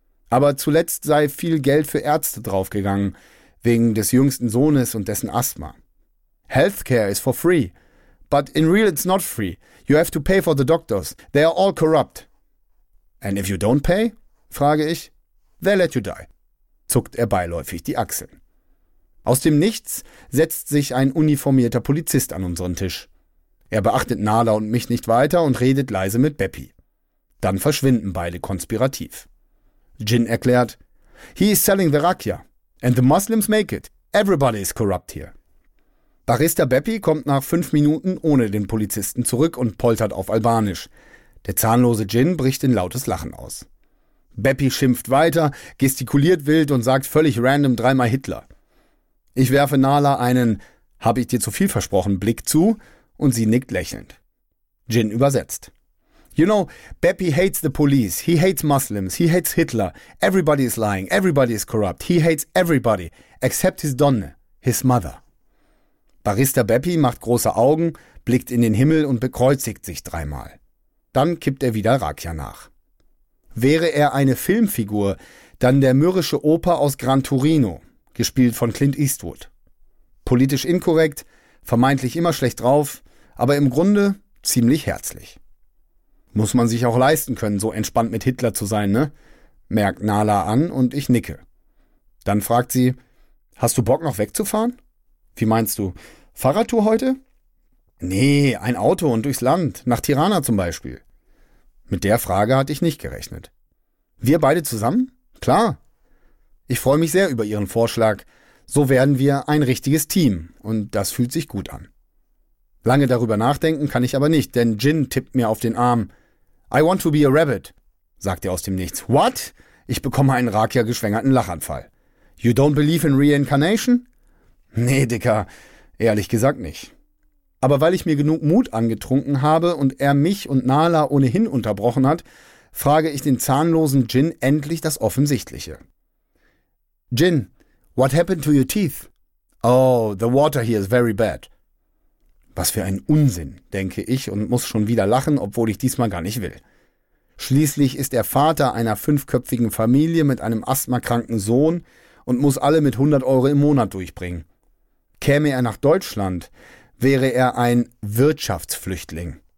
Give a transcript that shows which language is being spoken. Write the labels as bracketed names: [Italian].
[German] Aber zuletzt sei viel Geld für Ärzte draufgegangen, wegen des jüngsten Sohnes und dessen Asthma. [English] Healthcare is for free. But in real it's not free. You have to pay for the doctors. They are all corrupt. And if you don't pay, [German] frage ich, [English] they let you die. [German] Zuckt er beiläufig die Achseln. Aus dem Nichts setzt sich ein uniformierter Polizist an unseren Tisch. Er beachtet Nala und mich nicht weiter und redet leise mit Beppi. Dann verschwinden beide konspirativ. Jin erklärt, [English] he is selling the rakia. And the Muslims make it. Everybody is corrupt here. [German] Barista Beppi kommt nach 5 Minuten ohne den Polizisten zurück und poltert auf Albanisch. Der zahnlose Jin bricht in lautes Lachen aus. Beppi schimpft weiter, gestikuliert wild und sagt völlig random 3-mal Hitler. Ich werfe Nala einen, hab ich dir zu viel versprochen, Blick zu und sie nickt lächelnd. Jin übersetzt. [English] You know, Beppi hates the police, he hates Muslims, he hates Hitler, everybody is lying, everybody is corrupt, he hates everybody, except his Donne, his mother. [German] Barista Beppi macht große Augen, blickt in den Himmel und bekreuzigt sich 3-mal. Dann kippt er wieder Rakia nach. Wäre er eine Filmfigur, dann der mürrische Opa aus Gran Torino, gespielt von Clint Eastwood. Politisch inkorrekt, vermeintlich immer schlecht drauf, aber im Grunde ziemlich herzlich. Muss man sich auch leisten können, so entspannt mit Hitler zu sein, ne? Merkt Nala an und ich nicke. Dann fragt sie, hast du Bock noch wegzufahren? Wie meinst du, Fahrradtour heute? Nee, ein Auto und durchs Land, nach Tirana zum Beispiel. Mit der Frage hatte ich nicht gerechnet. Wir beide zusammen? Klar. Ich freue mich sehr über Ihren Vorschlag. So werden wir ein richtiges Team und das fühlt sich gut an. Lange darüber nachdenken kann ich aber nicht, denn Jin tippt mir auf den Arm. [English] I want to be a rabbit, [German] sagt er aus dem Nichts. What? Ich bekomme einen Rakia-geschwängerten Lachanfall. [English] You don't believe in reincarnation? [German] Nee, Dicker, ehrlich gesagt nicht. Aber weil ich mir genug Mut angetrunken habe und er mich und Nala ohnehin unterbrochen hat, frage ich den zahnlosen Jin endlich das Offensichtliche. [English] Jin, what happened to your teeth? Oh, the water here is very bad. [German] Was für ein Unsinn, denke ich und muss schon wieder lachen, obwohl ich diesmal gar nicht will. Schließlich ist er Vater einer 5-köpfigen Familie mit einem asthmakranken Sohn und muss alle mit 100 Euro im Monat durchbringen. Käme er nach Deutschland, wäre er ein Wirtschaftsflüchtling.